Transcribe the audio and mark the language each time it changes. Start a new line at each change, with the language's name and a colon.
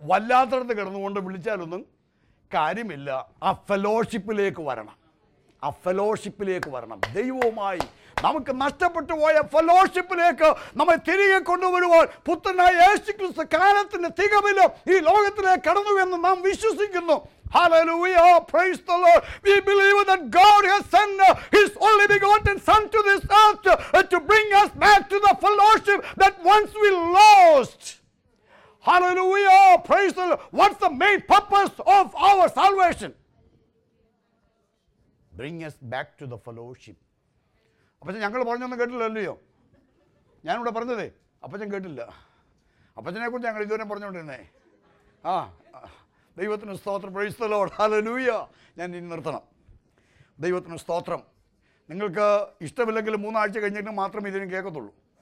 Malayalam: വല്ലാത്തടത്ത് കിടന്നുകൊണ്ട് വിളിച്ചാലൊന്നും കാര്യമില്ല. ആ ഫെലോഷിപ്പിലേക്ക് വരണം, ആ ഫെലോഷിപ്പിലേക്ക് വരണം. ദൈവവുമായി നമുക്ക് നഷ്ടപ്പെട്ടു പോയ ഫെലോഷിപ്പിലേക്ക് നമ്മെ തിരികെ കൊണ്ടുവരുവാൻ പുത്രനായ യേശുക്രിസ്തു കാലത്തിൻ്റെ തികവില് ഈ ലോകത്തിലേക്ക് കടന്നു എന്ന് നാം വിശ്വസിക്കുന്നു.
English: Hallelujah, praise the Lord. We believe that God has sent His only begotten Son to this earth to bring us back to the fellowship that once we lost. Hallelujah, praise the Lord. What's the main purpose of our salvation? Bring us back to the fellowship.
Malayalam: അപ്പച്ചൻ ഞങ്ങൾ പറഞ്ഞൊന്നും കേട്ടില്ലല്ലയോ, ഞാനിവിടെ പറഞ്ഞതേ. അപ്പച്ചൻ കേട്ടില്ല, അപ്പച്ചനെ കുറിച്ച് ഞങ്ങൾ ഇതുവരെ പറഞ്ഞുകൊണ്ടിരുന്നേ. ആ ദൈവത്തിന് സ്തോത്രം,
English: praise the Lord,
Malayalam: ഹല്ലേലൂയാ. ഞാൻ ഇനി നിർത്തണം. ദൈവത്തിന് സ്തോത്രം. നിങ്ങൾക്ക് ഇഷ്ടമില്ലെങ്കിൽ മൂന്നാഴ്ച കഴിഞ്ഞിട്ട് മാത്രമേ ഇതിനും കേൾക്കത്തുള്ളൂ.